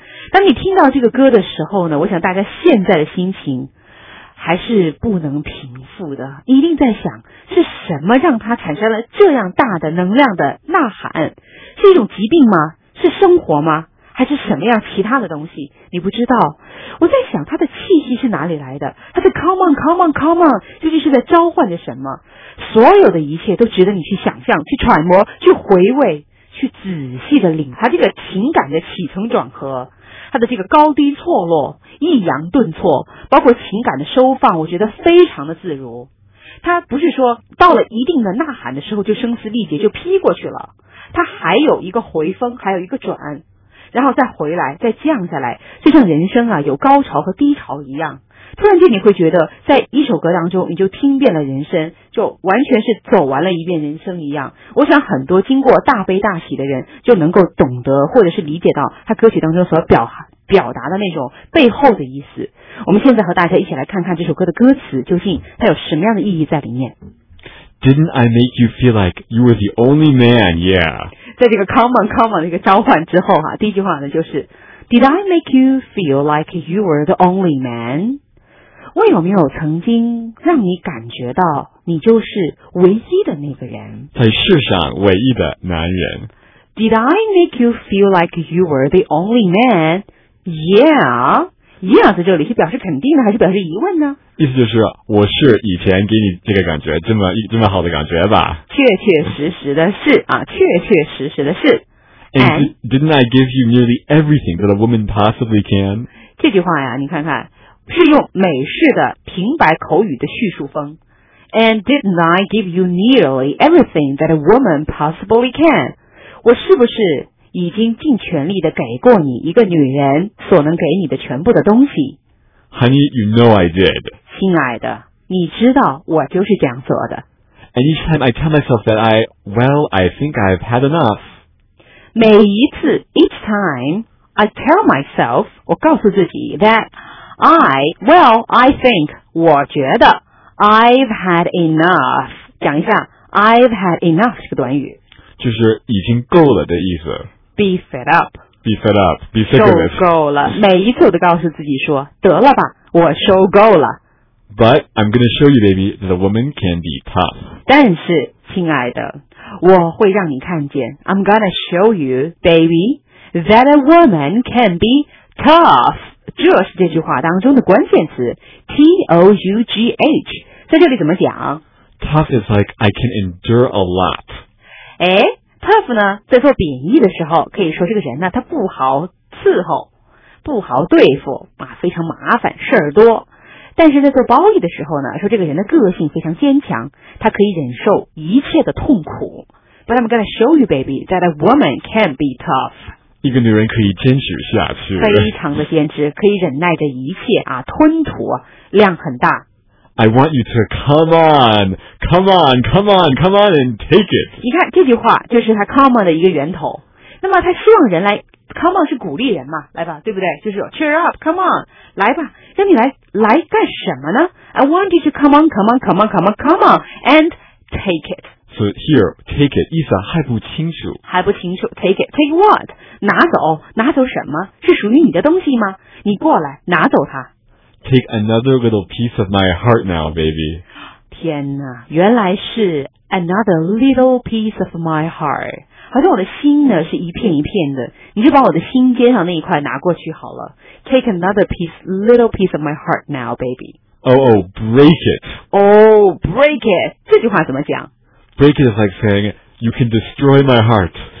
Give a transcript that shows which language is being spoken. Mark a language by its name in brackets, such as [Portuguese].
[Chinese] 当你听到这个歌的时候呢，我想大家现在的心情还是不能平复的，一定在想是什么让它产生了这样大的能量的呐喊？是一种疾病吗？是生活吗？还是什么样其他的东西？你不知道。我在想它的气息是哪里来的？它的 [English] Come on, Come on, Come on 究竟是在召唤着什么？ [Chinese] 所有的一切都值得你去想象，去揣摩，去回味，去仔细的领他这个情感的起承转合，他的这个高低错落，抑扬顿挫，包括情感的收放，我觉得非常的自如。他不是说到了一定的呐喊的时候就声嘶力竭就劈过去了，他还有一个回风，还有一个转，然后再回来，再降下来，就像人生啊，有高潮和低潮一样。突然间你会觉得，在一首歌当中，你就听遍了人生，就完全是走完了一遍人生一样。我想很多经过大悲大喜的人，就能够懂得或者是理解到他歌曲当中所表达的那种背后的意思。我们现在和大家一起来看看这首歌的歌词，究竟它有什么样的意义在里面。 [English] Didn't I make you feel like you were the only man? Yeah. [Chinese] 在这个 [English] common common [Chinese] 的一个召唤之后哈，第一句话呢就是 [English] Did I make you feel like you were the only man? [Chinese] 我有没有曾经让你感觉到你就是唯一的那个人？在世上唯一的男人。 [English] Did I make you feel like you were the only man? Yeah. Yeah, [Chinese] 在这里是表示肯定呢还是表示疑问呢？意思就是我是以前给你这个感觉这么好的感觉吧。确确实实的是啊，确确实实的是。 [English] And didn't I give you nearly everything that a woman possibly can? [Chinese] 这句话呀你看看是用美式的平白口语的叙述风。 [English] And didn't I give you nearly everything that a woman possibly can? [Chinese] 我是不是已经尽全力的给过你一个女人所能给你的全部的东西。 [English] Honey, you know I did. [Chinese] 亲爱的，你知道我就是这样做的。 [English] And each time I tell myself that I think I've had enough. [Chinese] 每一次 [English] ,each time, I tell myself, [Chinese] 我告诉自己 [English] that I think, [Chinese] 我觉得 [English] I've had enough. [Chinese] 讲一下 , [English] I've had enough [Chinese] 这个短语。就是已经够了的意思。 [English] Be fed up. Be sick of it. [Chinese] 受够了。每一次都告诉自己说，得了吧，我受够了。 [English] But I'm going to show you, baby, that a woman can be tough. [Chinese] 但是，亲爱的，我会让你看见。 [English] I'm going to show you, baby, that a woman can be tough. [Chinese] 这是这句话当中的关键词 T-O-U-G-H. 在这里怎么讲？ [English] Tough is like I can endure a lot. [Chinese] 诶tough 呢在做贬义的时候可以说这个人呢他不好伺候不好对付啊，非常麻烦事儿多但是在做褒义的时候呢说这个人的个性非常坚强他可以忍受一切的痛苦 [English] But I'm gonna show you baby that a woman can be tough [Chinese] 一个女人可以坚持下去非常的坚持可以忍耐着一切啊，吞吐量很大 [English] I want you to come on and take it. [Chinese] 你看这句话就是他 [English] come on [Chinese] 的一个源头。那么他希望人来 come on 是鼓励人嘛，来吧，对不对？就是 [English] cheer up, come on, [Chinese] 来吧，让你来干什么呢 [English] ？I want you to come on and take it. So here, take it [Chinese] 意思还不清楚。还不清楚 [English] ，take it, take what? [Chinese] 拿走，拿走什么？是属于你的东西吗？你过来拿走它。 [English] Take another little piece of my heart now, baby. [Chinese] 天哪，原来是 [English] another little piece of my heart. [Chinese] 好像我的心呢是一片一片的，你就把我的心尖上那一块拿过去好了。 [English] Take another piece, little piece of my heart now, baby. Oh, break it. Oh, break it. [Chinese] 这句话怎么讲？ [English] Break it is like saying you can destroy my heart.